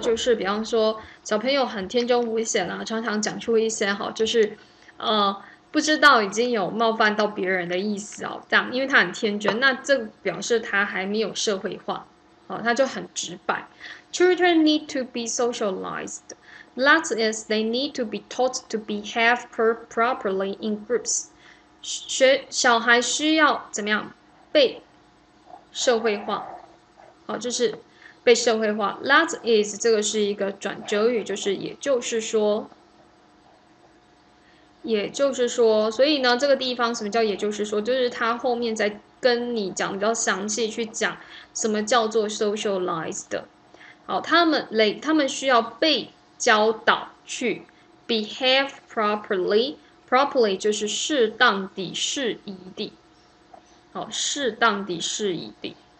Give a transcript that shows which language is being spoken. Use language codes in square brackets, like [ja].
[zh] 就是比方说，小朋友很天真无邪啦，常常讲出一些哈，就是，不知道已经有冒犯到别人的意思哦，这样，因为他很天真，那这表示他还没有社会化，哦，他就很直白。 [en] Children need to be socialized. That is, they need to be taught to behave properly in groups. [zh] 小孩需要怎么样被社会化？哦，就是。被社会化， [en] that is [zh] 这个是一个转折语，就是也就是说，也就是说，所以呢，这个地方什么叫也就是说，就是他后面在跟你讲比较详细去讲什么叫做 socialized 的，好，他们需要被教导去 [en] behave properly [zh] 就是适当地、适宜地，好，适当地、适宜地。